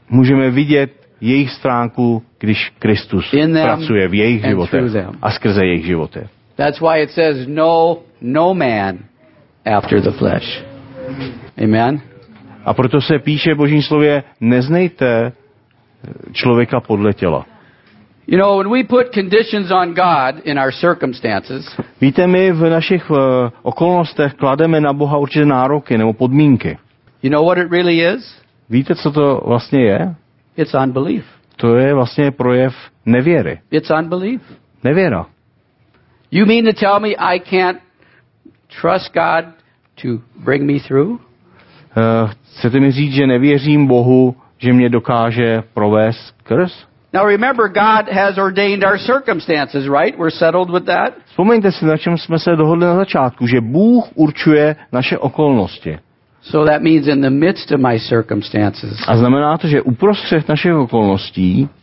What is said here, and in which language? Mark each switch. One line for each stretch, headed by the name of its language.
Czech: Můžeme vidět jejich stránku, když Kristus
English: in
Czech: pracuje v jejich životě a skrze jejich životy.
English: That's why it says no man after the flesh. Amen.
Czech: A proto se píše v Božím slově, neznejte člověka podle těla.
English: You know, when we put conditions on God in our circumstances.
Czech: Víte, my v našich okolnostech klademe na Boha určité nároky nebo podmínky.
English: You know what it really is?
Czech: Víte, co to vlastně je?
English: It's unbelief.
Czech: To je vlastně projev nevěry.
English: It's unbelief.
Czech: Nevěra.
English: You mean to tell me I can't trust God to bring me through?
Czech: Chcete mi říct, že nevěřím Bohu, že mě dokáže provést skrz?
English: Now remember, God has ordained our circumstances, right? We're settled with that.
Czech: Vzpomeňte si, na čem jsme se dohodli na začátku, že Bůh určuje naše okolnosti.
English: So that means in the midst of my circumstances.
Czech: A znamená to, že uprostřed našich okolností